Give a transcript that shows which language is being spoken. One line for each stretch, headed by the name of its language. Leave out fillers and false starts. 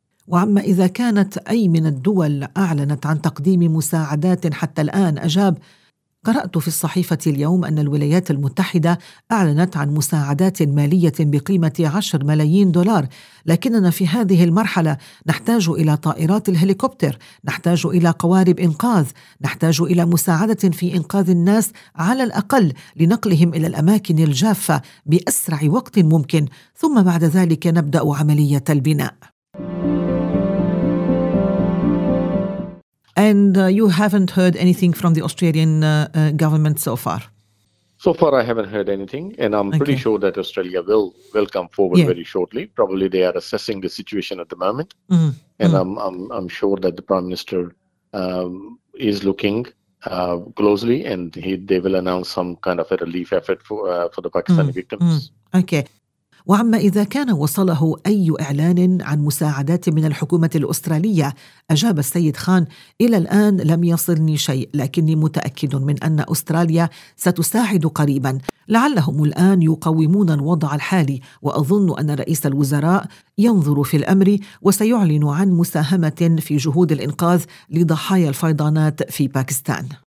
Arabic: وعما إذا كانت أي من الدول أعلنت عن تقديم مساعدات حتى الآن؟ أجاب: قرأت في الصحيفة اليوم أن الولايات المتحدة أعلنت عن مساعدات مالية بقيمة 10 ملايين دولار، لكننا في هذه المرحلة نحتاج إلى طائرات الهليكوبتر، نحتاج إلى قوارب إنقاذ، نحتاج إلى مساعدة في إنقاذ الناس على الأقل لنقلهم إلى الأماكن الجافة بأسرع وقت ممكن، ثم بعد ذلك نبدأ عملية البناء.
English: And you haven't heard anything from the Australian government so far? So far, I haven't heard anything. And I'm pretty sure that Australia will come forward very shortly. Probably they are assessing the situation at the moment. Mm. And I'm sure that the Prime Minister is looking closely, and they will announce some kind of a relief effort for the Pakistani victims. Mm. Okay.
Arabic: وعما إذا كان وصله أي إعلان عن مساعدات من الحكومة الأسترالية؟ أجاب السيد خان: إلى الآن لم يصلني شيء، لكني متأكد من أن أستراليا ستساعد قريبا، لعلهم الآن يقومون الوضع الحالي، وأظن أن رئيس الوزراء ينظر في الأمر وسيعلن عن مساهمة في جهود الإنقاذ لضحايا الفيضانات في باكستان.